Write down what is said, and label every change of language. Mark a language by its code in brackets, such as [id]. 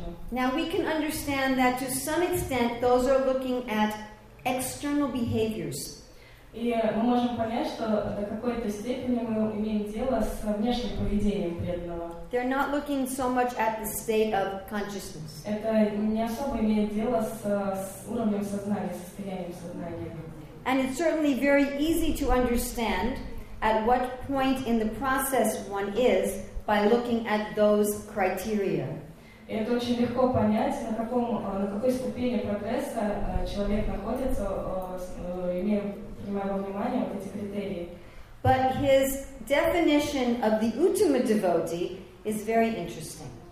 [en] Now we can understand that to some extent those are looking at external behaviors. [ru] И мы можем понять, что до какой-то степени мы имеем дело с внешним поведением преданного. [en] They're not looking so much at the state of consciousness. [ru] Это не особо имеет дело с уровнем сознания, с состоянием сознания. [en] And it's certainly very easy to understand at what point in the process one is by looking at those criteria. [ru] И это очень легко понять, на какой ступени прогресса человек находится, имея [en] But his definition of the Uttama devotee is very interesting.